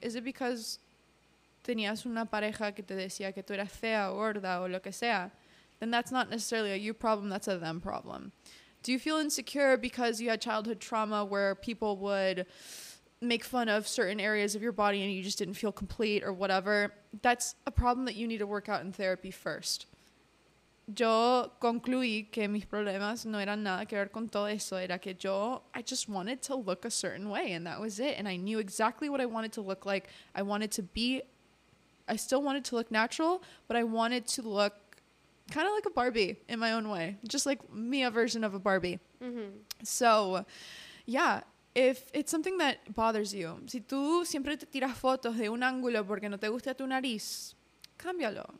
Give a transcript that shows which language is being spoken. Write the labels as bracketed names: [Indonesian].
[English] Is it because [Spanish] tenías una pareja que te decía que tú eras fea, gorda, o lo que sea? [English] Then that's not necessarily a you problem, that's a them problem. Do you feel insecure because you had childhood trauma where people would make fun of certain areas of your body and you just didn't feel complete or whatever? That's a problem that you need to work out in therapy first. [Spanish] Yo concluí que mis problemas no eran nada que ver con todo eso. Era que yo, [English] I just wanted to look a certain way, and that was it. And I knew exactly what I wanted to look like. I wanted to be, I still wanted to look natural, but I wanted to look kind of like a Barbie in my own way. Just like me, a version of a Barbie. Mm-hmm. So, yeah, if it's something that bothers you, [Spanish] si tú siempre te tiras fotos de un ángulo porque no te gusta tu nariz, cámbialo.